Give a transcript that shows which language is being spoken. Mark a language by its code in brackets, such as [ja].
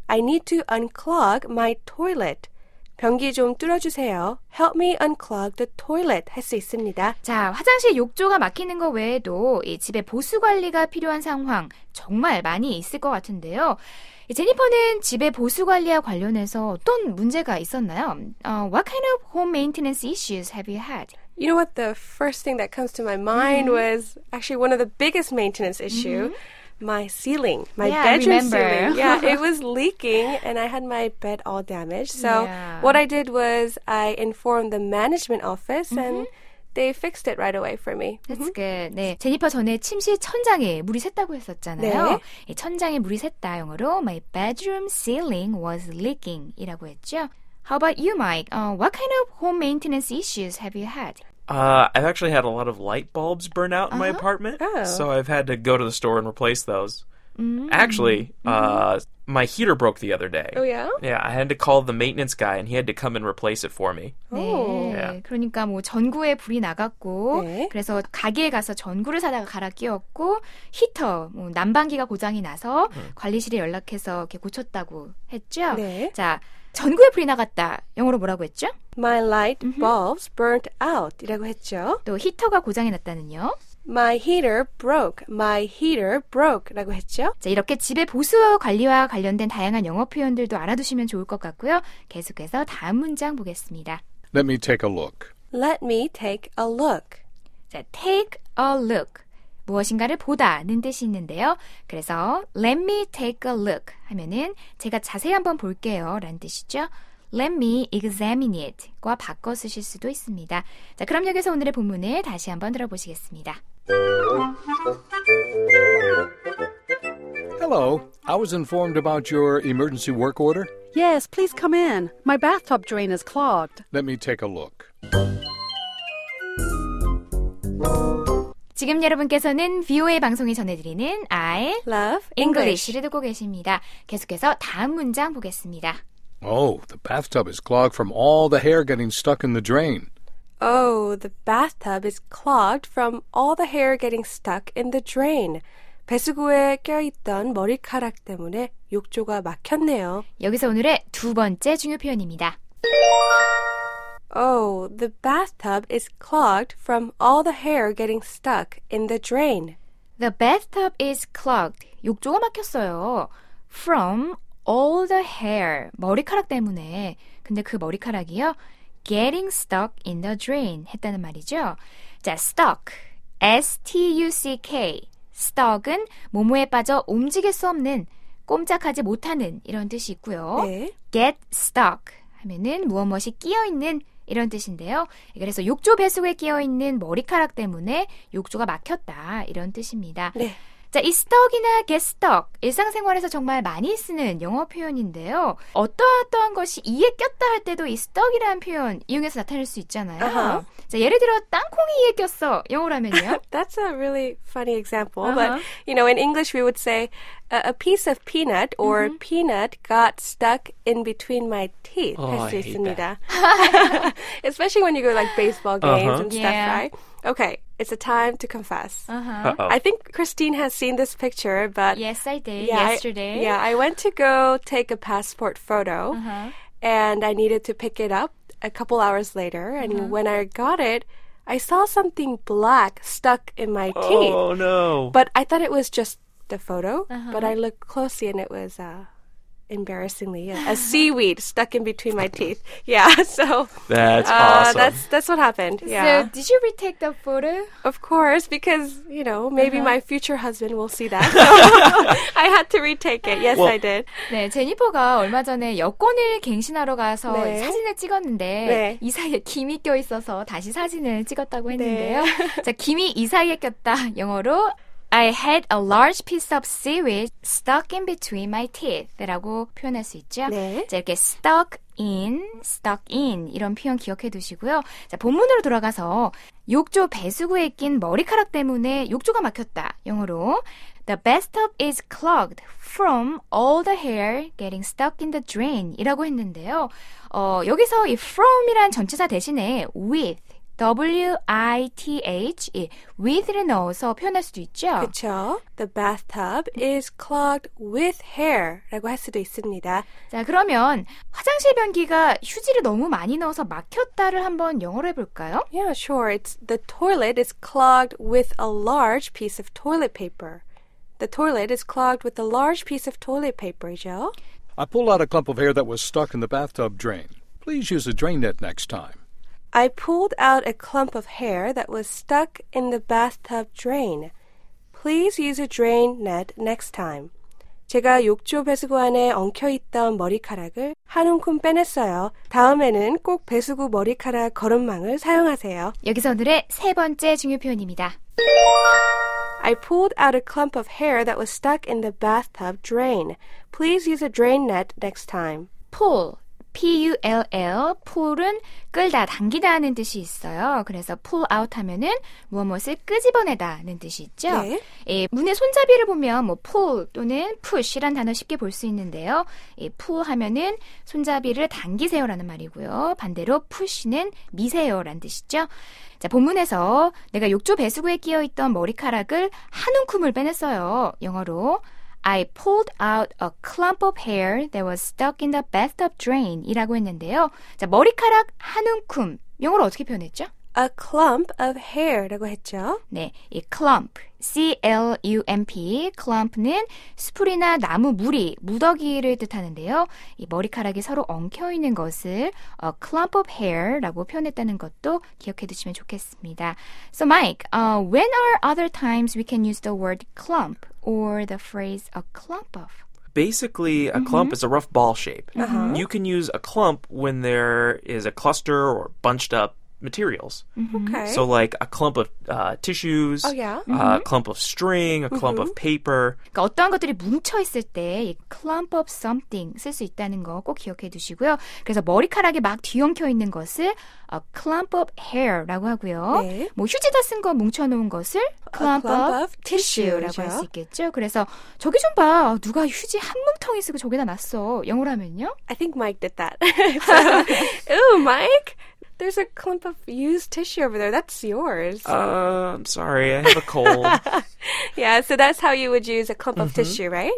[en] I need to unclog my toilet. [ko] 변기 좀 뚫어주세요. [en] Help me unclog the toilet [ko] 할 수 있습니다. 자, 화장실 욕조가 막히는 것 외에도 이 집에 보수 관리가 필요한 상황 정말 많이 있을 것 같은데요. 제니퍼는 집의 보수 관리와 관련해서 어떤 문제가 있었나요? [en] What kind of home maintenance issues have you had? You know what? The first thing that comes to my mind was actually one of the biggest maintenance issue. My ceiling, my bedroom ceiling. Yeah, it was leaking and I had my bed all damaged. So what I did was I informed the management office and they fixed it right away for me. That's good. [ko] 네, 제니퍼 전에 침실 천장에 물이 샜다고 했었잖아요. 네. 천장에 물이 샜다 영어로 [en] my bedroom ceiling was leaking 이라고 했죠. How about you, Mike? What kind of home maintenance issues have you had? I've actually had a lot of light bulbs burn out in my apartment, so I've had to go to the store and replace those. Actually, my heater broke the other day. Oh, yeah? Yeah, I had to call the maintenance guy, and he had to come and replace it for me. Oh. [ko] 네, 그러니까 뭐 전구에 불이 나갔고, 네. 그래서 가게에 가서 전구를 사다가 갈아 끼웠고, 히터, 뭐 난방기가 고장이 나서 관리실에 연락해서 이렇게 고쳤다고 했죠? 네. 자, 전구에 불이 나갔다. 영어로 뭐라고 했죠? [en] My light bulbs burnt out [ko] 이라고 했죠. 또 히터가 고장이 났다는요? [en] My heater broke. My heater broke [ko] 라고 했죠. 자, 이렇게 집의 보수 관리와 관련된 다양한 영어 표현들도 알아두시면 좋을 것 같고요. 계속해서 다음 문장 보겠습니다. [en] Let me take a look. Let me take a look. [ko] 자, [en] take a look. [ko] 무엇인가를 보다는 뜻이 있는데요. 그래서 [en] let me take a look [ko] 하면은 제가 자세히 한번 볼게요 라는 뜻이죠. [en] Let me examine it [ko] 과 바꿔 쓰실 수도 있습니다. 자, 그럼 여기서 오늘의 본문을 다시 한번 들어보시겠습니다. [en] Hello, I was informed about your emergency work order. Yes, please come in. My bathtub drain is clogged. Let me take a look. [ko] 지금 여러분께서는 VOA 방송이 전해드리는 I [en] Love English [ko] 를 듣고 계십니다. 계속해서 다음 문장 보겠습니다. [en] Oh, the bathtub is clogged from all the hair getting stuck in the drain. Oh, the bathtub is clogged from all the hair getting stuck in the drain. [ko] 배수구에 껴있던 머리카락 때문에 욕조가 막혔네요. 여기서 오늘의 두 번째 중요 표현입니다. [en] Oh, the bathtub is clogged from all the hair getting stuck in the drain. The bathtub is clogged. [ko] 욕조가 막혔어요. [en] From all the hair. [ko] 머리카락 때문에. 근데 그 머리카락이요. [en] Getting stuck in the drain. [ko] 했다는 말이죠. 자, stuck. [en] S-T-U-C-K. [ko] Stuck은 모모에 빠져 움직일 수 없는, 꼼짝하지 못하는 이런 뜻이 있고요. 네. Get stuck 하면은 무엇무엇이 끼어있는 이런 뜻인데요. 그래서 욕조 배수구에 끼어있는 머리카락 때문에 욕조가 막혔다. 이런 뜻입니다. 네. 자, 이 stuck이나 get stuck, 일상생활에서 정말 많이 쓰는 영어 표현인데요. 어떠한 것이 이에 꼈다 할 때도 이 stuck이라는 표현 이용해서 나타낼 수 있잖아요. Uh-huh. 자, 예를 들어 땅콩이 이에 꼈어. 영어라면요. [en] That's a really funny example. But, you know, in English we would say a piece of peanut or peanut got stuck in between my teeth. Oh, [ko] 할 수 [en] I [ko] 있습니다. [en] hate that. Especially when you go to like baseball games and stuff, yeah. right? Okay, it's a time to confess. Uh-huh. I think Christine has seen this picture, but... Yes, I did, yeah, yesterday. I went to go take a passport photo, and I needed to pick it up a couple hours later. And when I got it, I saw something black stuck in my teeth. Oh, no. But I thought it was just the photo, but I looked closely and it was... embarrassingly, a seaweed stuck in between my teeth. Yeah, so that's awesome. That's what happened. Yeah. So, did you retake the photo? Of course, because you know maybe my future husband will see that. So I had to retake it. Yes, well, I did. [ko] 네, 제니퍼가 얼마 전에 여권을 갱신하러 가서 네. 사진을 찍었는데 네. 이 사이에 김이 껴 있어서 다시 사진을 찍었다고 했는데요. 네. 자, 김이 이 사이에 꼈다. 영어로 [en] I had a large piece of seaweed stuck in between my teeth [ko] 라고 표현할 수 있죠. 네. 자, 이렇게 stuck in, 이런 표현 기억해 두시고요. 자, 본문으로 돌아가서 욕조 배수구에 낀 머리카락 때문에 욕조가 막혔다. [en] 영어로 The bathtub is clogged from all the hair getting stuck in the drain [ko] 이라고 했는데요. 여기서 이 from이란 전치사 대신에 with, W-I-T-H, 예, with를 넣어서 표현할 수도 있죠. [en] 그렇죠. The bathtub is clogged with hair [ko] 라고 할 수도 있습니다. 자, 그러면 화장실 변기가 휴지를 너무 많이 넣어서 막혔다를 한번 영어로 해볼까요? [en] Yeah, sure. It's the toilet is clogged with a large piece of toilet paper. The toilet is clogged with a large piece of toilet paper이죠. I pulled out a clump of hair that was stuck in the bathtub drain. Please use a drain net next time. I pulled out a clump of hair that was stuck in the bathtub drain. Please use a drain net next time. [ko] 제가 욕조 배수구 안에 엉켜있던 머리카락을 한 움큼 빼냈어요. 다음에는 꼭 배수구 머리카락 거름망을 사용하세요. 여기서 오늘의 세 번째 중요 표현입니다. [en] I pulled out a clump of hair that was stuck in the bathtub drain. Please use a drain net next time. [ko] Pull. P-U-L-L, pull은 끌다, 당기다 하는 뜻이 있어요. 그래서 pull out 하면은 무엇을 끄집어내다 하는 뜻이 있죠. 네. 예, 문의 손잡이를 보면 뭐 pull 또는 push이란 단어 쉽게 볼 수 있는데요. 예, pull 하면은 손잡이를 당기세요라는 말이고요. 반대로 push는 미세요라는 뜻이죠. 자, 본문에서 내가 욕조 배수구에 끼어있던 머리카락을 한 움큼을 빼냈어요. [en] 영어로 I pulled out a clump of hair that was stuck in the bathtub drain [ko] 이라고 했는데요. 자, 머리카락 한 움큼, 영어로 어떻게 표현했죠? [en] A clump of hair [ko] 라고 했죠. 네, 이 clump, C-L-U-M-P, clump는 수풀이나 나무, 무리, 무더기를 뜻하는데요. 이 머리카락이 서로 엉켜있는 것을 [en] a clump of hair [ko] 라고 표현했다는 것도 기억해 두시면 좋겠습니다. [en] So Mike, when are other times we can use the word clump? Or the phrase a clump of? Basically, a clump is a rough ball shape. Uh-huh. You can use a clump when there is a cluster or bunched up materials. Okay. So like a clump of tissues, a clump of string, a clump of paper. [ko] 그러니까 어떤 것들이 뭉쳐 있을 때 이 clump of something 쓸 수 있다는 거 꼭 기억해 두시고요. 그래서 머리카락에 막 뒤엉켜 있는 것을 [en] a clump of hair [ko] 라고 하고요. 네. 뭐 휴지 다 쓴 거 뭉쳐 놓은 것을 [en] clump of tissue라고 [ko] 할 수 있겠죠. 그래서 저기 좀 봐. 누가 휴지 한 뭉텅이 쓰고 저기다 놨어. 영어로 하면요? [en] I think Mike did that. So, ooh, Mike. There's a clump of used tissue over there. That's yours. I'm sorry. I have a cold. Yeah, so that's how you would use a clump of tissue, right?